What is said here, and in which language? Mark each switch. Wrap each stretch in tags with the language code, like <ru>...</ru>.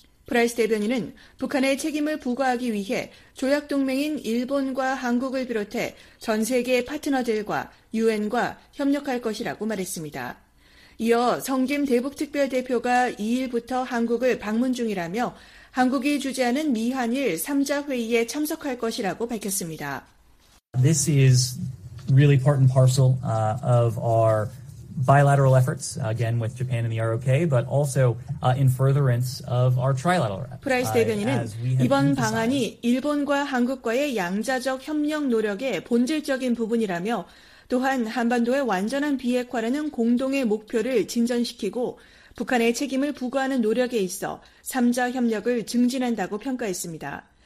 <ko>프라이스 대변인은 북한의 책임을 부과하기 위해 조약 동맹인 일본과 한국을 비롯해 전 세계 파트너들과 유엔과 협력할 것이라고 말했습니다. 이어 성김 대북특별대표가 2일부터 한국을 방문 중이라며 한국이 주재하는 미한일 3자 회의에 참석할 것이라고 밝혔습니다.</ko> <en>This is really part and parcel of our bilateral efforts, again with Japan and the ROK, but also in furtherance of our trilateral efforts.</en> <ko>프라이스 대변인은 이번 방안이 일본과 한국과의 양자적 협력 노력의 본질적인 부분이라며 또한 한반도의 완전한 비핵화라는 공동의 목표를 진전시키고 북한의 책임을 부과하는 노력에 있어 3자 협력을 증진한다고 평가했습니다.</ko>